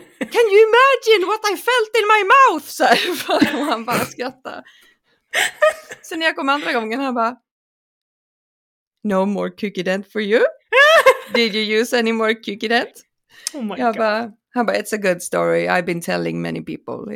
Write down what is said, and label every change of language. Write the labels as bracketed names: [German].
[English] Can you imagine what I felt in my mouth? [Swedish] Så här, och han bara skrattade. Så när jag kom andra gången han bara, [English] no more Kukident for you? Did you use any more Kukident? [Swedish] Han bara, [English] it's a good story, I've been telling many people.